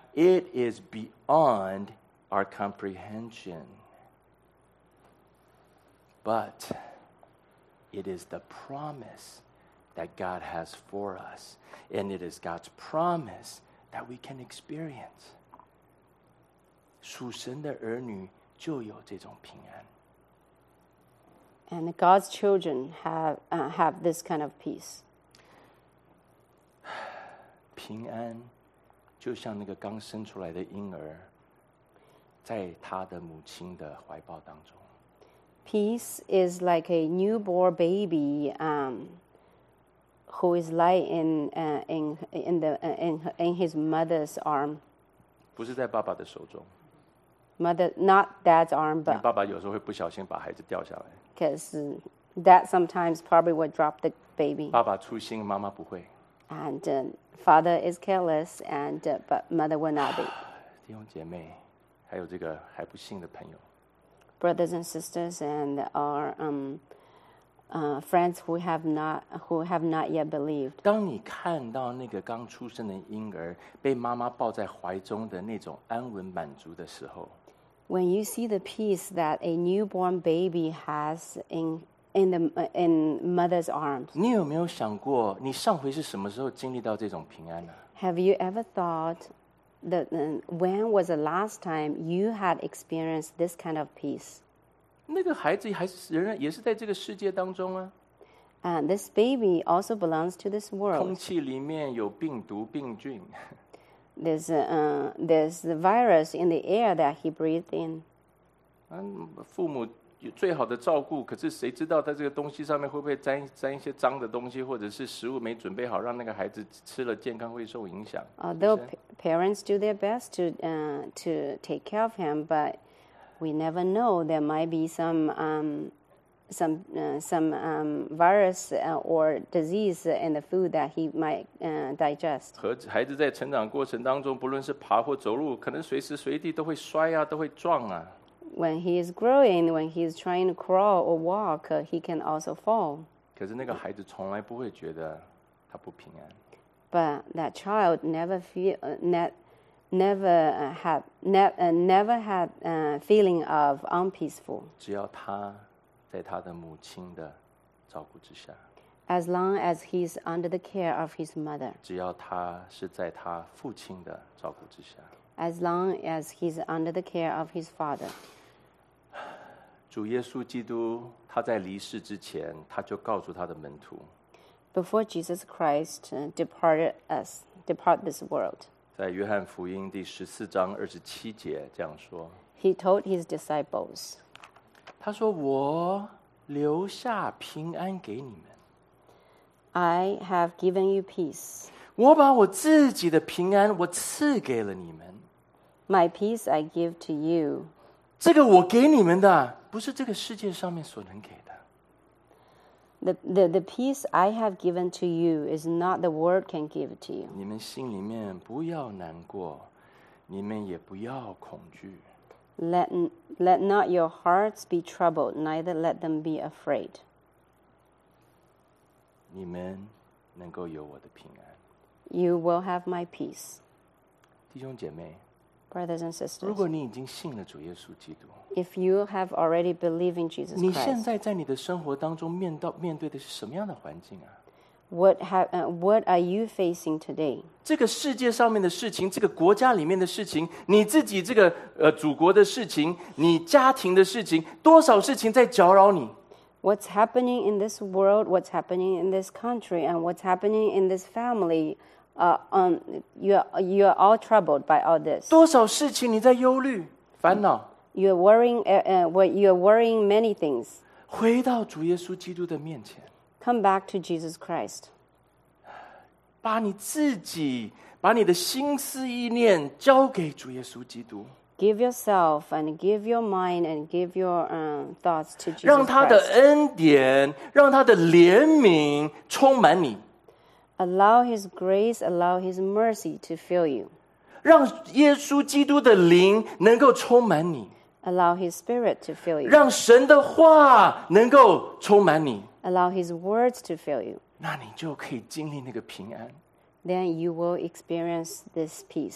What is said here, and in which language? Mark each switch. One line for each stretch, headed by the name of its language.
English: It is beyond our comprehension. But it is the promise that God has for us. And it is God's promise that we can experience.
Chinese: 属神的儿女就有这种平安。
English: And God's children have this kind of peace.
Chinese: 平安就像那个刚生出来的婴儿在他的母亲的怀抱当中。
English: Peace is like a newborn baby who is lying in his mother's arm.
Chinese: 不是在爸爸的手中。
English: Mother, not dad's arm, but.
Chinese: 爸爸有时候会不小心把孩子掉下来。
English: Because dad sometimes probably would drop the baby.
Chinese: 爸爸粗心，妈妈不会。
English: And father is careless, and but mother will not be.
Chinese: 弟兄姐妹，还有这个还不信的朋友。
English: Brothers and sisters, and our friends who have not yet believed.
Chinese: 当你看到那个刚出生的婴儿被妈妈抱在怀中的那种安稳满足的时候。
English: When you see the peace that a newborn baby has in mother's arms,
Chinese: 你有没有想过，你上回是什么时候经历到这种平安呢？
English: Have you ever thought that when was the last time you had experienced this kind of peace?
Chinese: 那个孩子还是仍然也是在这个世界当中啊。
English: And this baby also belongs to this world.
Chinese: 空气里面有病毒病菌。
English: There's the virus in the air that he breathed in.
Chinese: 父母最好的照顾，可是谁知道在这个东西上面会不会 沾一些脏的东西，或者是食物没准备好，让那个孩子吃了健康会受影响。
English: Although parents do their best to take care of him, but we never know. There might be some virus or disease in the food that he might digest.
Chinese: 和孩子在成长过程当中，不论是爬或走路，可能随时随地都会摔啊，都会撞啊。
English: When he is growing, when he is trying to crawl or walk, he can also fall.
Chinese: 可是那个孩子从来不会觉得他不平安。
English: But that child never had a feeling of unpeaceful.
Chinese: 只要他在他的母亲的照顾之下。
English: As long as he's under the care of his mother.
Chinese: 只要他是在他父亲的照顾之下。
English: As long as he's under the care of his father.
Chinese: 主耶稣基督他在离世之前他就告诉他的门徒
English: Before Jesus Christ departed this world
Chinese: 在约翰福音第十四章二十七节这样说
English: He told his disciples
Chinese: 他说我留下平安给你们
English: I have given you peace
Chinese: 我把我自己的平安我赐给了你们
English: My peace I give to you
Chinese: 这个我给你们的不是这个世界上面所能给的。
English: The peace I have given to you is not the world can give to you.
Chinese: 你们心里面不要难过，你们也不要恐惧。
English: Let not your hearts be troubled, neither let them be afraid.
Chinese: 你们能够有我的平安。
English: You will have my peace.
Chinese: 弟兄姐妹。
English: Brothers and sisters,
Chinese: 如果你已经信了主耶稣基督
English: If you have already believed in Jesus Christ
Chinese: 你现在在你的生活当中面对的是什么样的环境啊
English: What are you facing today?
Chinese: 这个世界上面的事情这个国家里面的事情你自己这个祖国的事情你家庭的事情多少事情在搅扰你
English: What's happening in this world? What's happening in this country? And what's happening in this family? You're all troubled by all this.
Chinese: 多少事情你在忧虑烦恼
English: You're worrying many things.
Chinese: 回到主耶稣基督的面前
English: Come back to Jesus Christ.
Chinese: 把你自己把你的心思意念交给主耶稣基督
English: Give yourself and give your mind and give your thoughts to Jesus Christ.
Chinese: 让他的恩典让他的怜悯充满你
English: Allow His grace, allow His mercy to fill you.
Chinese: 让耶稣基督的灵能够充满你。
English: Allow His spirit to fill you.
Chinese: 让神的话能够充满你。
English: Allow His words to fill you.
Chinese: 那你就可以经历那个平安。
English: Then you will experience this peace.